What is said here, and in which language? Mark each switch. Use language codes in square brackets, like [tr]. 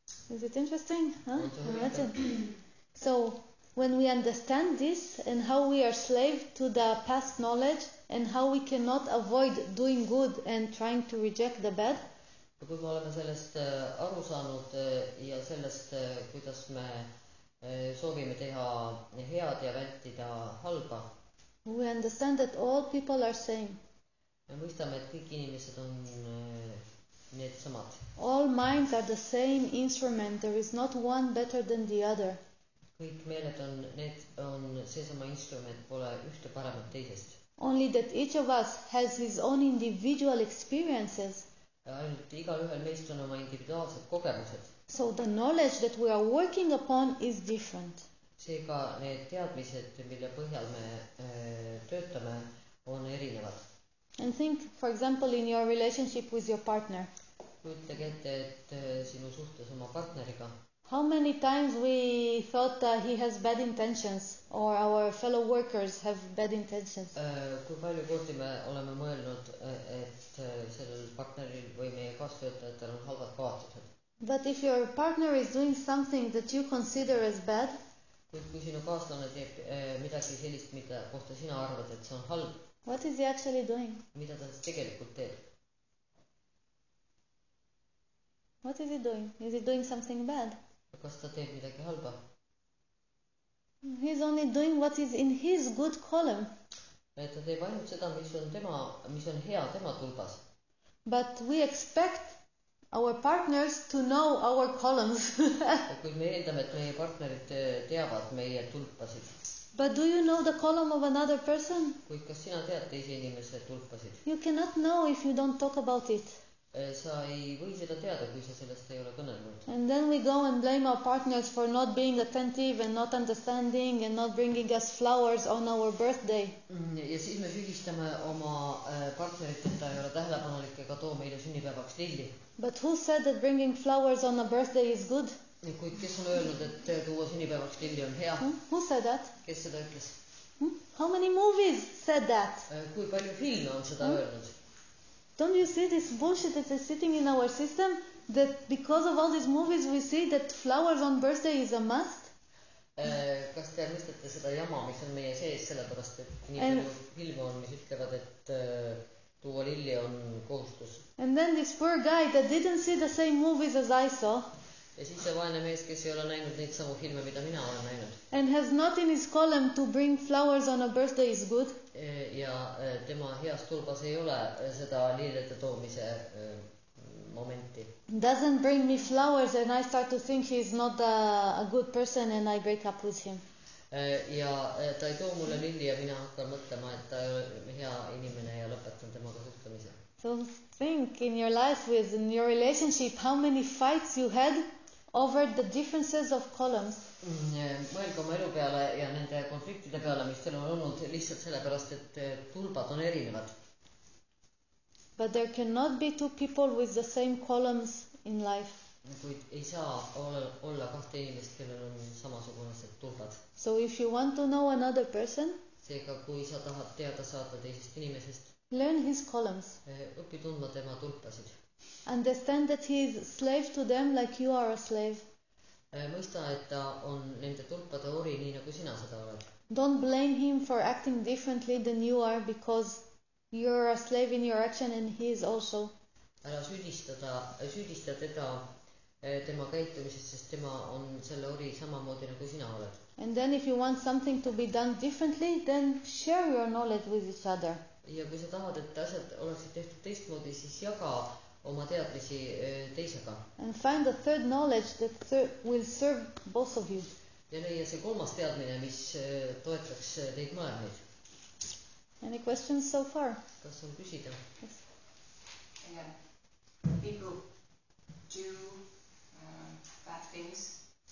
[en] Is it interesting? Huh? So, when we understand this and how we are slave to the past knowledge and how we cannot avoid doing good and trying to reject the bad. [et] Ja kui me oleme sellest aru saanud ja sellest, kuidas me soovime teha head ja vältida halba. [en] We understand that all people are same. [et] Me mõistame, et kõik inimesed on need samad. [en] All minds are the same instrument. There is not one better than the other. [et] Kõik meeled on, need on see sama instrument, pole ühte paremat teisest. [en] Only that each of us has his own individual experiences. [et] Ainult igal ühel meist on oma individuaalsed kogemused. [en] So the knowledge that we are working upon is different. [et] Seega need teadmised, mille põhjal me töötame, on erinevad. [en] And think, for example, in your relationship with your partner. [et] Kujutage ette, et sinu suhtes oma partneriga. [en] How many times we thought he has bad intentions or our fellow workers have bad intentions? [et] Kui palju kordi me oleme mõelnud, et sellel partneril või meie kaasvõtajatel on halvad kavatsused. [en] But if your partner is doing something that you consider as bad, [et] kui sinu kaaslane teeb midagi sellist, mida kohta sina arvad, et see on halb, [en] what is he actually doing? [et] Mida ta tegelikult teeb? [en] What is he doing? Is he doing something bad? [et] Kas ta teeb midagi halba? [en] He is only doing what is in his good column. [et] Ta teeb ainult seda, mis on tema, mis on hea tema tulbas. [en] But we expect our partners to know our columns. [et] Kui me eeldame, et meie partnerid teavad meie tulpasid. [en] But do you know the column of another person? [et] Kui kas sina tead teise inimese tulpasid? [en] You cannot know if you don't talk about it. [et] Sa ei või seda teada, kui sa sellest ei ole kõnelnud. [en] And then we go and blame our partners for not being attentive and not understanding and not bringing us flowers on our birthday. [et] Ja siis me süüdistame oma partnerit, et ta ei ole tähelepanulik ega too meile sünnipäevaks lilli. [en] But who said that bringing flowers on a birthday is good? [et] Kui kes on öelnud, et tuua sünnipäevaks lilli on hea? [en] Who said that? [et] Kes seda ütles? [en] How many movies said that? [et] Kui palju filme on seda öelnud? [en] Don't you see this bullshit that is sitting in our system, that because of all these movies we see that flowers on birthday is a must? [et] Kas te mõistate seda jama, mis on meie sees sellepärast, et nii palju filme on, mis ütlevad, et tuua lilli on kohustus? [en] And then this poor guy that didn't see the same movies as I saw. [et] Ja siis see vaene mees, kes ei ole näinud neid samu filme, mida mina olen näinud. [en] And has not in his column to bring flowers on a birthday is good. [et] Ja tema heas tulbas ei ole seda lillede toomise momenti. [en] Doesn't bring me flowers and I start to think he's not a good person and I break up with him. [et] Ja ta ei too mulle lilli ja mina hakkan mõtlema, et ta ei ole hea inimene ja lõpetan temaga suhtlemise. [en] So think in your life with in your relationship how many fights you had over the differences of columns. [et] Mõelge oma elu peale ja nende konfliktide peale, mis teil on olnud lihtsalt sellepärast, et tulbad on erinevad. [en] But there cannot be two people with the same columns in life. [et] Kuid ei saa olla kahte inimest, kellel on samasugused tulbad. [en] So if you want to know another person, [et] seega kui sa tahad teada saada teisest inimesest, [en] learn his columns. [et] Õpi tundma tema tulpasid. [en] Understand that he is slave to them like you are a slave. [et] Mõista, et ta on nende tulpade ori nii nagu sina seda oled. [en] Don't blame him for acting differently than you are because you're a slave in your action and he is also. [et] Ära süüdista teda tema käitumisest, sest tema on selle ori samamoodi nagu sina oled. [en] And then if you want something to be done differently, then share your knowledge with each other. [et] Ja kui sa tahad, et asjad oleksid tehtud teistmoodi, siis jaga oma teadmisi teisega. [en] And find a third knowledge that will serve both of you. [et] Ja leia see kolmas teadmine, mis toetaks teid mõlemaid. [en] Any questions so far? [et] Kas on küsida? [en] Yes. Yeah. People do bad things.